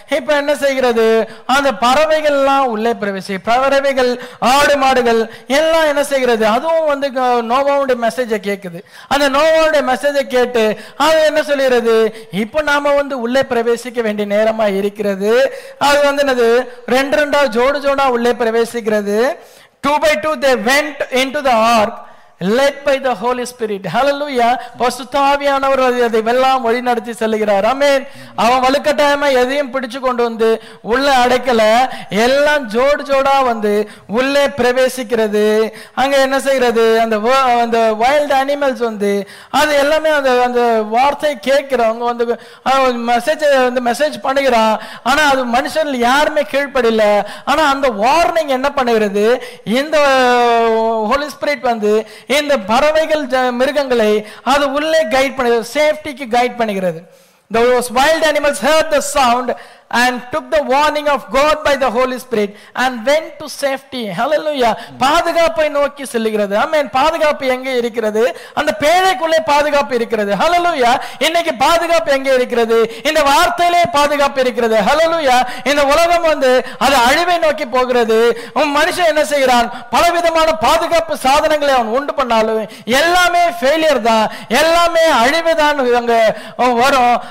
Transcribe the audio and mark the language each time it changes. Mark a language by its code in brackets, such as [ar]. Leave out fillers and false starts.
[ta] இப்ப என்ன செய்கிறது, அந்த பறவைகள் எல்லாம் உள்ளே பிரவேசி, பறவைகள் ஆடு மாடுகள் எல்லாம் என்ன செய்கிறது, அதுவும் வந்து நோவாவுடைய மெசேஜை கேட்குது. அந்த நோவாவுடைய மெசேஜை கேட்டு அது என்ன சொல்கிறது, இப்ப நாம வந்து உள்ளே பிரவேசிக்க வேண்டிய நேரமா இருக்கிறது. அது வந்து என்னது, ரெண்டு ரெண்டா ஜோடு ஜோடா உள்ளே பிரவேசிக்கிறது. [en] 2x2 they went into the ark led by the Holy Spirit. Hallelujah. [ta] பசுத்தாவியானவர் அதையெல்லாம் வழி நடத்தி செல்லுகிறார். ஆமென். அவன் வலுக்கட்டாயமா எதையும் பிடிச்சு கொண்டு வந்து உள்ள அடைக்கல, எல்லாம் ஜோடு ஜோடா வந்து உள்ளே பிரவேசிக்கிறது. அங்க என்ன செய்யறது, அந்த [en] wild animals [ta] வந்து அது எல்லாமே அந்த அந்த வார்த்தையை கேட்கிறவங்க வந்து மெசேஜ் வந்து மெசேஜ் பண்ணுகிறான். ஆனா அது மனுஷன் யாருமே கீழ்படல. ஆனா அந்த வார்னிங் என்ன பண்ணுகிறது, இந்த [en] holy spirit [ta] வந்து இந்த பறவைகள் மிருகங்களை அது உள்ளே கைட் பண்ணுகிறது, [en] சேஃப்டிக்கு கைட் [ta] பண்ணுகிறது. [en] Those wild animals heard the sound and took the warning of God by the Holy Spirit and went to safety. [ta] Hallelujah. பாதுகாப்பை நோக்கி செல்கிறது. ஆமென். பாதுகாப்பு எங்கே இருக்கிறது, அந்த பேழைக்குள்ளே பாதுகாப்பு இருக்கிறது. Hallelujah. இன்னைக்கு பாதுகாப்பு எங்கே இருக்கிறது, இந்த வார்த்தையிலே பாதுகாப்பு இருக்கிறது. Hallelujah. இந்த உலகம் வந்து அது அழிவை நோக்கி போகிறது. மனுஷன் என்ன செய்கிறான், பலவிதமான பாதுகாப்பு சாதனங்களை அவன் உண்டு பண்ணாலும் எல்லாமே ஃபெயிலியர் தான், எல்லாமே அழிவு தான் அங்க வரும்.